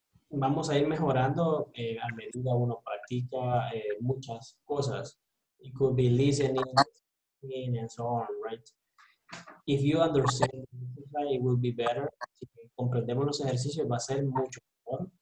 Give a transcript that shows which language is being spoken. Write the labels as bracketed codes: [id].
[es] vamos a ir mejorando a medida uno practica muchas cosas. [en] It could be listening, speaking, and so on, right? If you understand, it will be better. [es] Si comprendemos los ejercicios, va a ser mucho mejor.